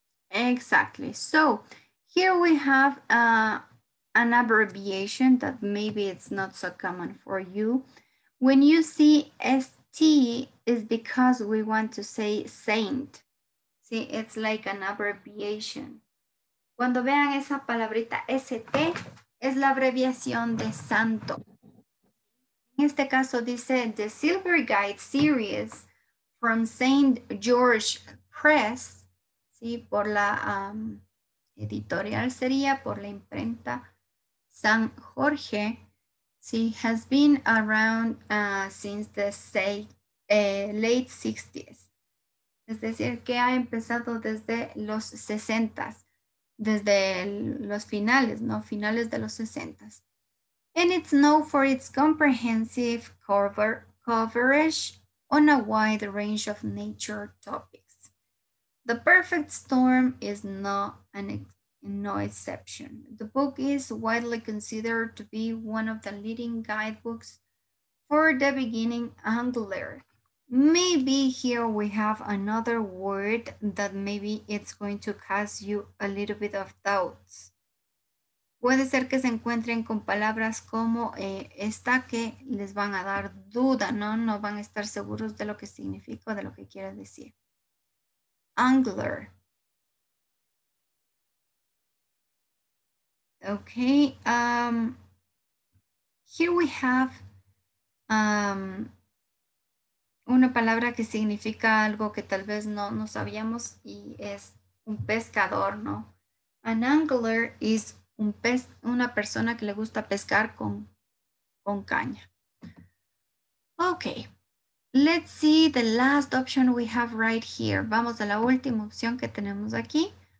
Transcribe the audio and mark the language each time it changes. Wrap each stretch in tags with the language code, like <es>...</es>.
<en>exactly. So here we have an abbreviation that maybe it's not so common for you. When you see ST is because we want to say saint. See, it's like an abbreviation.</en> <es>Cuando vean esa palabrita ST, es la abreviación de santo. En este caso dice The Silver Guide Series from St. George Press. Sí, por la editorial sería, por la imprenta San Jorge.</es> <en>Sí, has been around since the late 60s.</en> <es>Es decir, que ha empezado desde los 60s, desde los finales, ¿no? Finales de los 60s.</es> <en>And it's known for its comprehensive coverage on a wide range of nature topics. The Perfect Storm is no exception. The book is widely considered to be one of the leading guidebooks for the beginning angler. Maybe here we have another word that maybe it's going to cause you a little bit of doubts.</en> <es>Puede ser que se encuentren con palabras como esta que les van a dar duda, ¿no? No van a estar seguros de lo que significa o de lo que quiere decir. Angler.</es> <en>Okay. Here we have</en> <es>una palabra que significa algo que tal vez no sabíamos y es un pescador, ¿no?</es> <en>An angler is</en> <es>una persona que le gusta pescar con caña.</es> <en>Okay. Let's see the last option we have right here.</en> <es>Vamos a la última opción que tenemos aquí.</es>